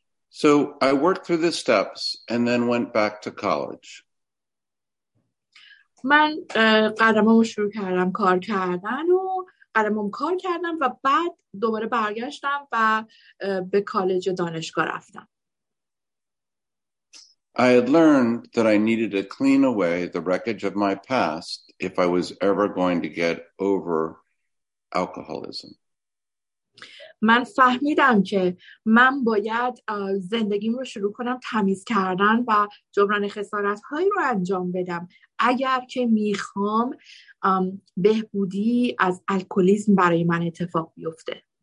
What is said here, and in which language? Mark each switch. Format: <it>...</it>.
<en>So I worked through the steps and then went back to college.</en> <fa>من قدمم رو شروع کردم کار کردن و قدمم کار کردم و بعد دوباره برگشتم و به کالج دانشگاه رفتم.</fa> <en>I had learned that I needed to clean away the wreckage of my past if I was ever going to get over alcoholism.</en> <fa>من فهمیدم که من باید زندگیم رو شروع کنم تمیز کردن و جبران خسارت‌هایی رو انجام بدم اگر که میخوام بهبودی از الکلیسم برای من اتفاق بیفته.</fa>